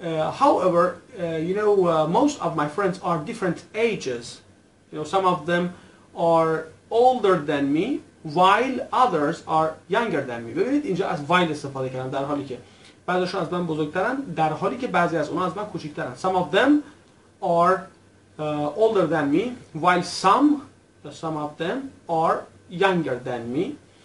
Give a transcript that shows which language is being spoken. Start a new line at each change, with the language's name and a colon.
English: However, most of my friends are different ages. You know, some of them are older than me, while others are younger than me.
Persian: ببینید اینجا از while استفاده کردم، در حالی که بعضیشون از من بزرگترن، در حالی که بعضی از اونها از من کوچکترن.
English: Some of them are older than me, while some of them are younger than me.